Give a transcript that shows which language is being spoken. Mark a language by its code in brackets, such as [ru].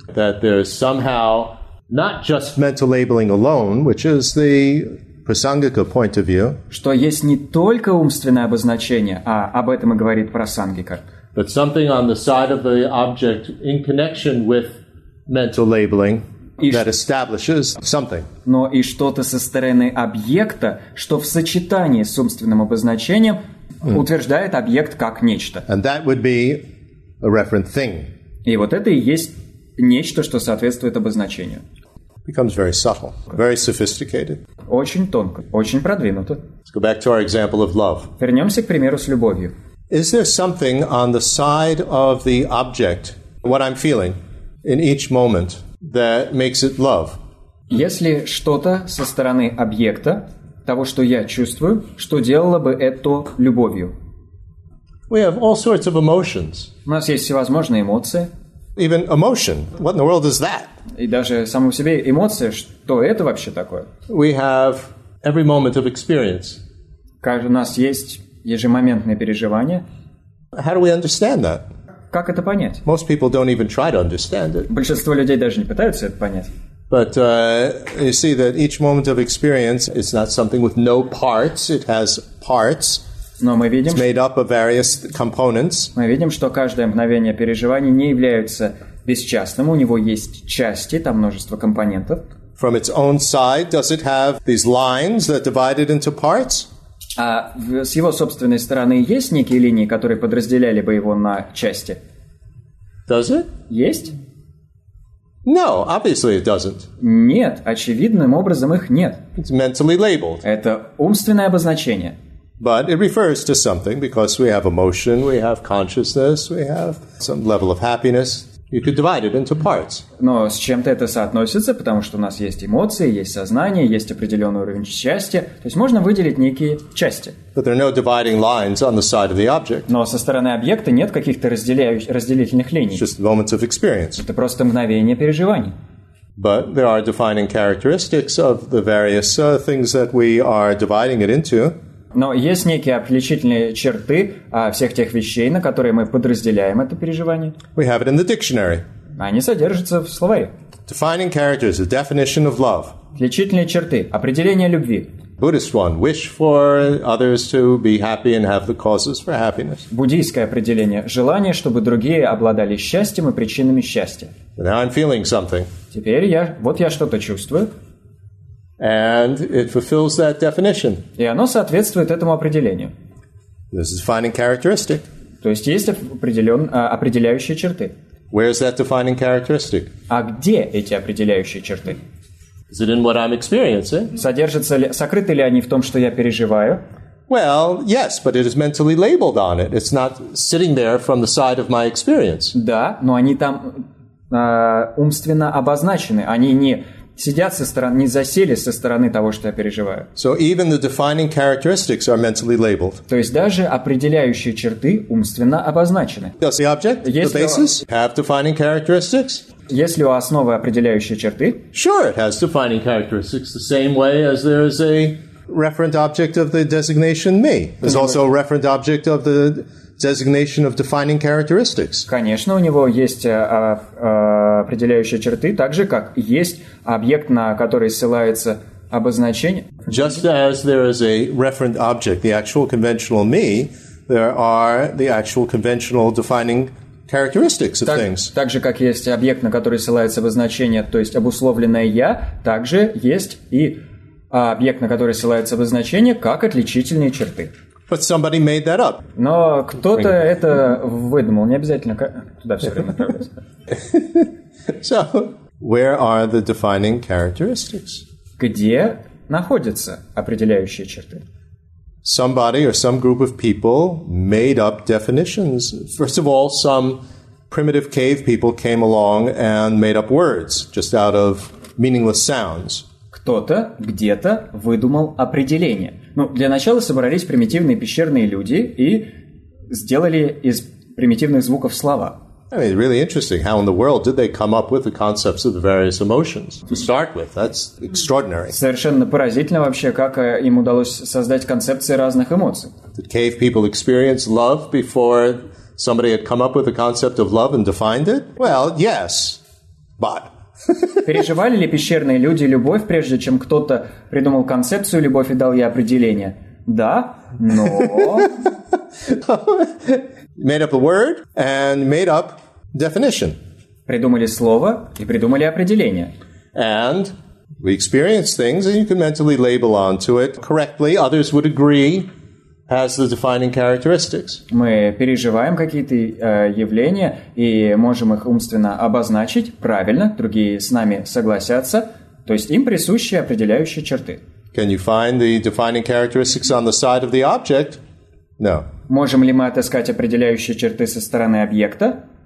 [en] That there is somehow not just mental labeling alone, which is the prasangika point of view. [ru] Что есть не только умственное обозначение, а об этом и говорит прасангика. [en] But something on the side of the object in connection with mental labeling that establishes something. [ru] Но и что-то со стороны объекта, что в сочетании с умственным обозначением утверждает объект как нечто. [en] And that would be a referent thing. [ru] И вот это и есть нечто, что соответствует обозначению. [en] Becomes very subtle, very sophisticated. [ru] Очень тонко, очень продвинуто. [en] Let's go back to our example of love. [ru] Вернемся к примеру с любовью. [en] Is there something on the side of the object, what I'm feeling, in each moment, that makes it love? [ru] Если что-то со стороны объекта, того, что я чувствую, что делало бы это любовью? [en] We have all sorts of emotions. [ru] У нас есть всевозможные эмоции. [en] Even emotion. What in the world is that? [ru] И даже само в себе эмоция, что это вообще такое? [en] We have every moment of experience. [ru] Каждый у нас есть... Ежемоментные переживания. [en] How do we understand that? [ru] Как это понять? [en] Most people don't even try to understand it. [ru] Большинство людей даже не пытаются это понять. [en] But you see that each moment of experience is not something with no parts. It has parts. [ru] Но мы видим, [en] it's made up of various components. [ru] Мы видим, что каждое мгновение переживания не является бесчастным. У него есть части, там множество компонентов. [en] From its own side, does it have these lines that divide it into parts? [ru] А с его собственной стороны есть некие линии, которые подразделяли бы его на части? [en] Does it? [ru] Есть? [en] No, obviously it doesn't. [ru] Нет, очевидным образом их нет. [en] It's mentally labeled. [ru] Это умственное обозначение. [en] But it refers to something, because we have emotion, we have consciousness, we have some level of happiness. You could divide it into parts. [ru] Но с чем-то это соотносится, потому что у нас есть эмоции, есть сознание, есть определенный уровень счастья. То есть можно выделить некие части. [en] But there are no dividing lines on the side of the object. [ru] Но со стороны объекта нет каких-то разделительных линий. [en] It's just moments of experience. [ru] Это просто мгновение переживаний. [en] But there are defining characteristics of the various things that we are dividing it into. [ru] Но есть некие отличительные черты всех тех вещей, на которые мы подразделяем это переживание. [en] We have it in the dictionary. [ru] Они содержатся в словаре. [en] Defining characters, the definition of love. [ru] Отличительные черты, определение любви. [en] Buddhist one, wish for others to be happy and have the causes for happiness. [ru] Буддийское определение, желание, чтобы другие обладали счастьем и причинами счастья. [en] So now I'm feeling something. [ru] Теперь я что-то чувствую. [en] And it fulfills that definition. [ru] И оно соответствует этому определению. [en] This is a defining characteristic. [ru] То есть есть определяющие черты. [en] Where is that defining characteristic? [ru] А где эти определяющие черты? [en] Is it in what I'm experiencing? [ru] Содержатся ли, сокрыты ли они в том, что я переживаю? [en] Well, yes, but it is mentally labeled on it. It's not sitting there from the side of my experience. [ru] Да, но они там умственно обозначены. Они не... сидят со стороны, не засели со стороны того, что я переживаю. [en] So even the defining characteristics are mentally labeled. [ru] То есть даже определяющие черты умственно обозначены. [en] Does the object, the basis, have defining characteristics? [ru] Если у основы определяющие черты? [en] Sure, it has defining characteristics the same way as there is a referent object of the designation me. There's also a referent object of the designation of defining characteristics. [ru] Конечно, у него есть определяющие черты, так же, как есть объект, на который ссылается обозначение. [en] Just as there is a referent object, the actual conventional me, there are the actual conventional defining characteristics of things. [ru] Так же, как есть объект, на который ссылается обозначение, то есть обусловленное я, также есть и объект, на который ссылается обозначение, как отличительные черты. [en] But somebody made that up. [ru] Но кто-то это выдумал. Не обязательно туда все время отправляться. [en] So, where are the defining characteristics? [ru] Где находятся определяющие черты? [en] Somebody or some group of people made up definitions. First of all, some primitive cave people came along and made up words just out of meaningless sounds. [ru] Кто-то где-то выдумал определение. Ну, для начала собрались примитивные пещерные люди и сделали из примитивных звуков слова. [en] I mean, really interesting. How in the world did they come up with the concepts of the various emotions to start with? That's extraordinary. [ru] Совершенно поразительно вообще, как им удалось создать концепции разных эмоций. [en] Did cave people experience love before somebody had come up with the concept of love and defined it? Well, yes, but... [ru] Переживали ли пещерные люди любовь, прежде чем кто-то придумал концепцию любовь и дал ей определение? Да, но... [en] Made up a word and made up definition. [ru] Придумали слово и придумали определение. [en] And we experience things and you can mentally label onto it correctly. Others would agree has the defining characteristics. [ru] Мы переживаем какие-то явления и можем их умственно обозначить правильно. Другие с нами согласятся. То есть им присущи определяющие черты. [en] Can you find the defining characteristics on the side of the object? No. [ru] Можем ли мы отыскать определяющие черты со стороны объекта?